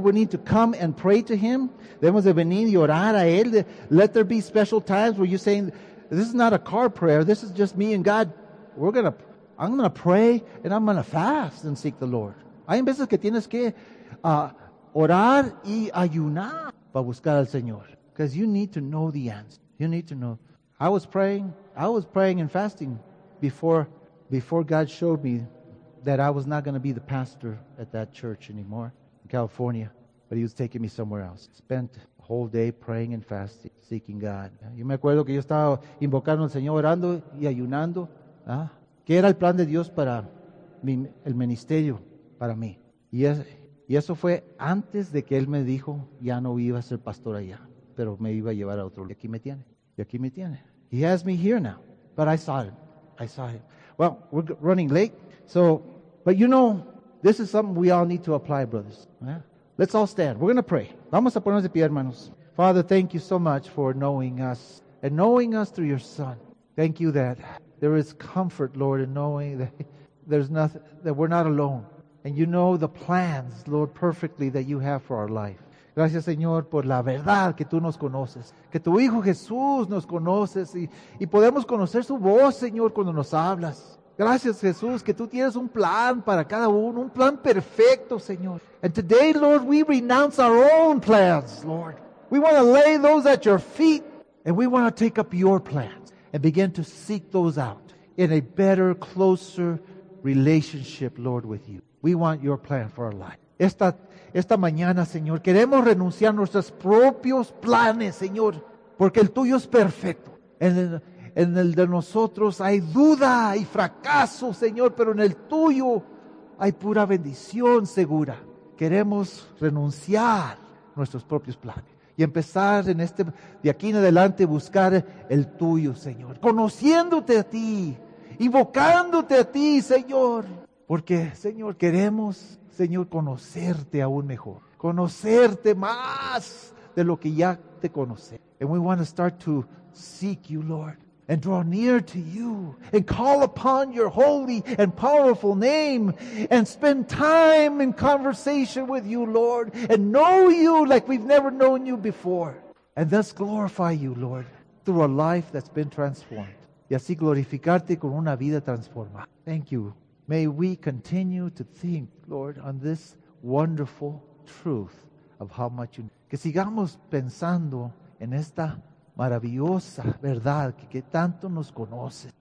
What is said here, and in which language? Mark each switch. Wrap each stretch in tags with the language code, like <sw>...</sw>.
<en>We need to come and pray to Him.</en> <es>Debemos de venir y orar a Él.</es> <en>Let there be special times where you're saying, this is not a car prayer. This is just me and God. I'm going to pray and I'm going to fast and seek the Lord.</en> <es>Hay veces que tienes que orar y ayunar para buscar al Señor.</es> <en>Because you need to know the answer. You need to know. I was praying and fasting before God showed me that I was not going to be the pastor at that church anymore in California, but He was taking me somewhere else. Spent a whole day praying and fasting, seeking God.</en> <es>Yo me acuerdo que yo estaba invocando al Señor, orando y ayunando. ¿Qué era el plan de Dios para el ministerio para mí? Y eso fue antes de que Él me dijo ya no iba a ser pastor allá, pero me iba a llevar a otro. Y aquí me tiene.</es> <en>He has me here now, but I saw him. Well, we're running late, so, but you know, this is something we all need to apply, brothers. Yeah? Let's all stand. We're going to pray.</en> <es>Vamos a ponernos de pie, hermanos.</es> <en>Father, thank you so much for knowing us and knowing us through your Son. Thank you that there is comfort, Lord, in knowing that there's nothing, that we're not alone. And you know the plans, Lord, perfectly that you have for our life.</en> <es>Gracias, Señor, por la verdad que tú nos conoces, que tu Hijo Jesús nos conoces y podemos conocer su voz, Señor, cuando nos hablas. Gracias, Jesús, que tú tienes un plan para cada uno, un plan perfecto, Señor.</es> <en>And today, Lord, we renounce our own plans, Lord. We want to lay those at your feet and we want to take up your plans and begin to seek those out in a better, closer relationship, Lord, with you. We want your plan for our life.</en> <es>Esta mañana, Señor, queremos renunciar a nuestros propios planes, Señor, porque el tuyo es perfecto. En el de nosotros hay duda y fracaso, Señor, pero en el tuyo hay pura bendición segura. Queremos renunciar a nuestros propios planes y empezar de aquí en adelante a buscar el tuyo, Señor, conociéndote a ti, invocándote a ti, Señor. Porque, Señor, queremos, Señor, conocerte aún mejor. Conocerte más de lo que ya te conoce.</es> <en>And we want to start to seek you, Lord. And draw near to you. And call upon your holy and powerful name. And spend time in conversation with you, Lord. And know you like we've never known you before. And thus glorify you, Lord, through a life that's been transformed.</en> <es>Y así glorificarte con una vida transformada.</es> <en>Thank you. May we continue to think, Lord, on this wonderful truth of how much you need.</en> <es>Que sigamos pensando en esta maravillosa verdad que tanto nos conoces.</es>